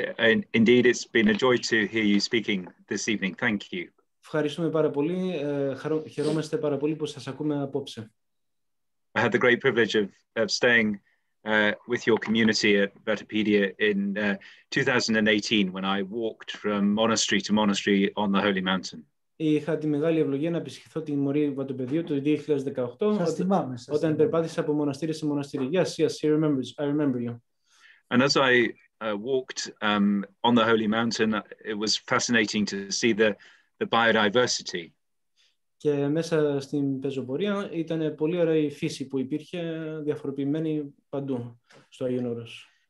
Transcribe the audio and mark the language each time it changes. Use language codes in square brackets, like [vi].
[en] And indeed, it's been a joy to hear you speaking this evening. Thank you. [el] Ευχαριστούμε πάρα πολύ. Χαιρόμαστε πάρα πολύ που σας ακούμε απόψε. [en] I had the great privilege of staying with your community at Vatopedia in 2018 when I walked from monastery to monastery on the Holy Mountain. [el] Είχα τη μεγάλη ευλογία να επισκεφθώ τη Μωρή Βατοπεδίου το 2018 όταν περπάτησα από μοναστήρι σε μοναστήρι. [en] Yes, yes, he remembers. I remember you. And as I walked on the Holy Mountain, it was fascinating to see the biodiversity. [el] Και μέσα στην πεζοπορία ήταν πολύ ωραία η φύση που υπήρχε διαφοροποιημένη παντού στο Άγιον Όρος.